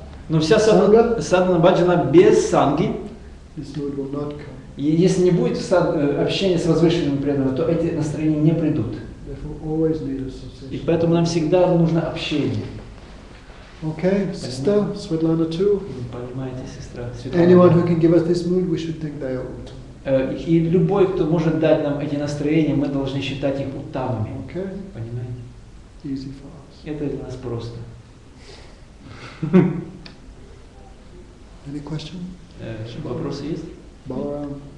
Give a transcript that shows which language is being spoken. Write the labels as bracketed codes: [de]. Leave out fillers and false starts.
[ru] Но вся санга, садхана бхаджана без санги, [en] this mood will not come. [ru] И если не будет общения с возвышенными преданными, то эти настроения не придут. [en] Therefore, always need association. [ru] И поэтому нам всегда нужно общение. [en] Okay, sister, Svetlana too. [ru] Понимаете, сестра, Светлана. [en] Anyone who can give us this mood, we should think they are old. [ru] И любой, кто может дать нам эти настроения, мы должны считать их уттамами. [en] Okay. [ru] Понимаете? [en] Easy for us. [ru] Это для нас просто. [en] Any question? [ru] Вопросы есть? Баларам.